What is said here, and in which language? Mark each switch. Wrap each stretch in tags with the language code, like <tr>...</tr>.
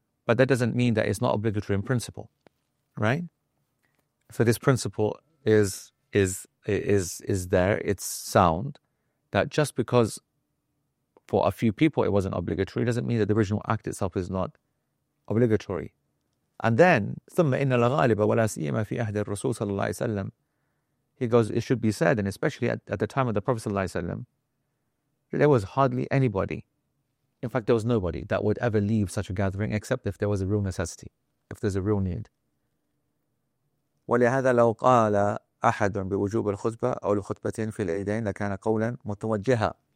<en>But that doesn't mean that it's not obligatory in principle, right? So this principle is there. It's sound that just because for a few people it wasn't obligatory doesn't mean that the original act itself is not obligatory. And then</en> <ar>ثُمَّ إِنَّ الْغَالِبَ وَلَا سِيَمَا فِي أَهْدِ الرَّسُولِ صَلَّى اللَّهِ وَسَلَّمَ.</ar> <en>He goes, it should be said, and especially at the time of the Prophet sallallahu alaihi wasallam, there was hardly anybody. In fact, there was nobody that would ever leave such a gathering except if there was a real necessity, if there's a real need.</en> <ar>وَلِهَذَا لَوْ قَالَ أَحَدٌ بِوُجُوبِ الْخُطْبَةِ أَوْ الْخُطْبَةٍ فِي الْعِيدَيْنِ لَكَانَ قَوْلًا مُتَوَجِّهًا.</ar>